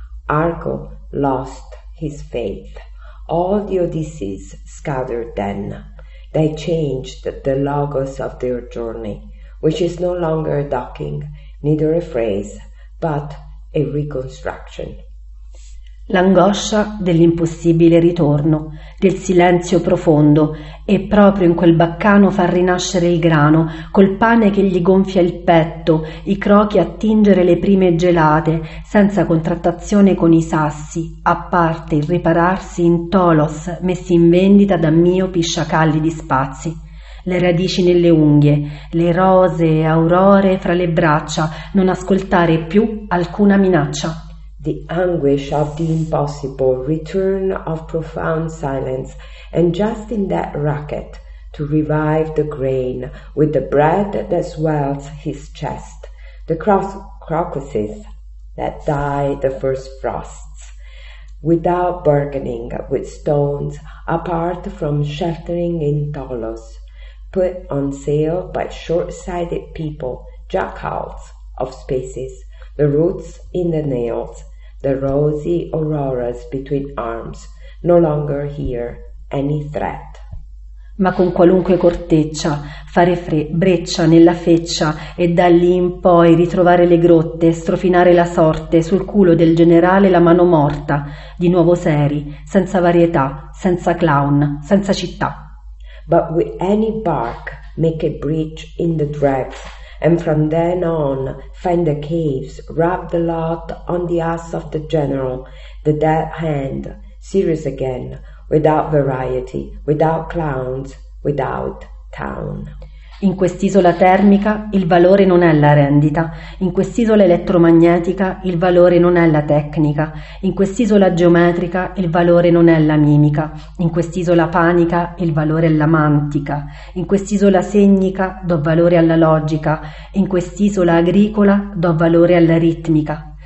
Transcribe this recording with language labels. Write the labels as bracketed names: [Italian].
[English] Argo lost his faith. All the Odysseys scattered then. They changed the logos of their journey, which is no longer a docking, neither a phrase, but a reconstruction. [Italian] L'angoscia dell'impossibile ritorno, del silenzio profondo, e proprio in quel baccano far rinascere il grano, col pane che gli gonfia il petto, i crochi a tingere le prime gelate, senza contrattazione con i sassi, a parte il ripararsi in tolos messi in vendita da miopi sciacalli di spazi. Le radici nelle unghie, le rose aurore fra le braccia, non ascoltare più alcuna minaccia. [English] The anguish of the impossible, return of profound silence, and just in that racket, to revive the grain with the bread that swells his chest, the crocuses that die the first frosts, without bargaining with stones, apart from sheltering in tholos, put on sale by short-sighted people, jackals of spaces, the roots in the nails, the rosy auroras between arms, no longer hear any threat. [Italian] Ma con qualunque corteccia, fare breccia nella feccia e da lì in poi ritrovare le grotte, strofinare la sorte sul culo del generale la mano morta, di nuovo seri, senza varietà, senza clown, senza città. [English] But with any bark, make a breach in the dregs, and from then on find the caves, rub the lot on the ass of the general, the dead hand, serious again, without variety, without clowns, without town. [Italian] In quest'isola termica il valore non è la rendita, in quest'isola elettromagnetica il valore non è la tecnica, in quest'isola geometrica il valore non è la mimica, in quest'isola panica il valore è la mantica, in quest'isola segnica do valore alla logica, in quest'isola agricola do valore alla ritmica.